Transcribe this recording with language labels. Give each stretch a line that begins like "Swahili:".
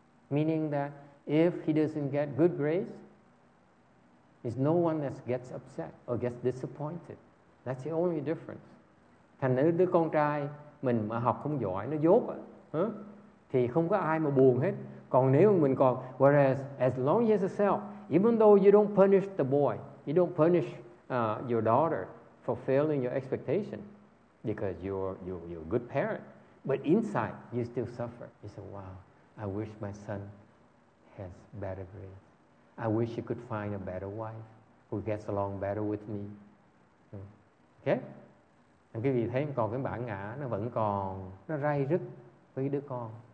English: Meaning that if he doesn't get good grades, it's no one that gets upset or gets disappointed. That's the only difference.
Vietnamese: Thành nữ đứa con trai mình mà học không giỏi, nó dốt, thì không có ai mà buồn hết. Còn nếu mình còn,
English: whereas as long as a self, even though you don't punish the boy, you don't punish your daughter for failing your expectation because you're a good parent, but inside you still suffer. You say, wow, I wish my son has better grades. I wish he could find a better wife who gets along better with me. Okay?
Vietnamese: Thì quý vị thấy còn cái bản ngã nó vẫn còn, nó rai rứt với đứa con.